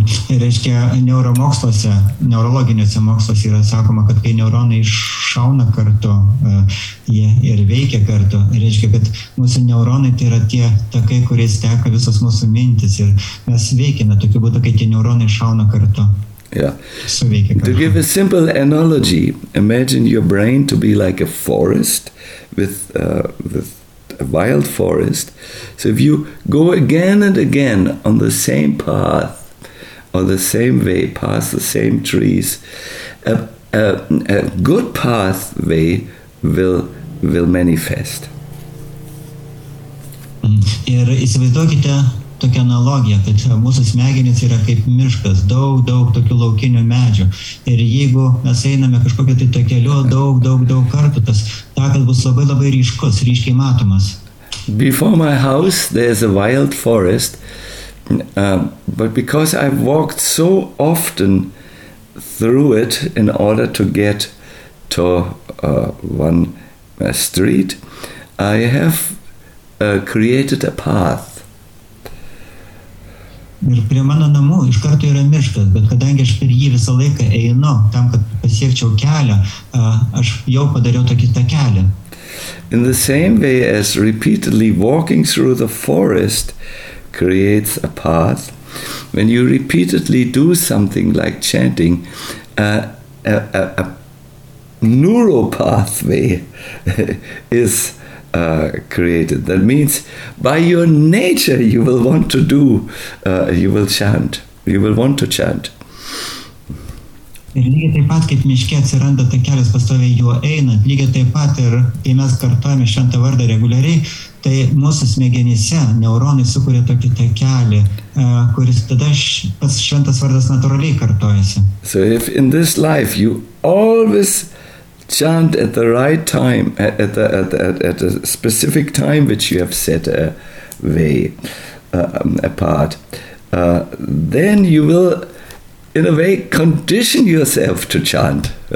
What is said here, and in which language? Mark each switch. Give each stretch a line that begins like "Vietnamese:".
Lithuanian: Ir reiškia, neuromoksluose, neurologiniuose moksluose yra sakoma, kad kai neuronai iššauna kartu, jie ir veikia kartu. Ir reiškia, kad mūsų neuronai tai yra tie takai, kurie steka visos mūsų mintis ir mes veikiame tokiu būdu, kai tie neuronai iššauna kartu.
English: Yeah. To give a simple analogy, imagine your brain to be like a forest with a wild forest. So if you go again and again on the same path or the same way past the same trees, a good pathway will manifest.
Lithuanian: Ir įsivaizduokite tokią analogiją, kad mūsų smegenys yra kaip miškas, daug, daug tokių laukinių medžių. Ir jeigu mes einame kažkokiu tai to keliu daug, daug, daug kartų, tas takas bus labai labai ryškus, ryškiai matomas.
English: Before my house there is a wild forest, but because I walked so often through it in order to get to one street, I have created a path.
Lithuanian: Ir prie mano namų iš karto yra miškas, bet kadangi aš per jį visą laiką einu tam, kad pasiekčiau kelią, aš jau padariau tokį tą kelią.
English: In the same way as repeatedly walking through the forest creates a path, when you repeatedly do something like chanting, a neural pathway is created. That means by your nature you will want to do, you will chant, you will want to chant.
Lithuanian: Ir lygiai taip pat, kaip miške atsiranda ta kelias pastoviai juo einant, lygiai taip pat ir kai mes kartuojame šventą vardą reguliariai, tai mūsų smegenyse neuronai sukuria tokį tą kelią, kuris tada pas šventas vardas natūraliai kartuojasi.
English: So if in this life you always chant at the right time, at a specific time which you have set a way apart, then you will in a way condition yourself to chant.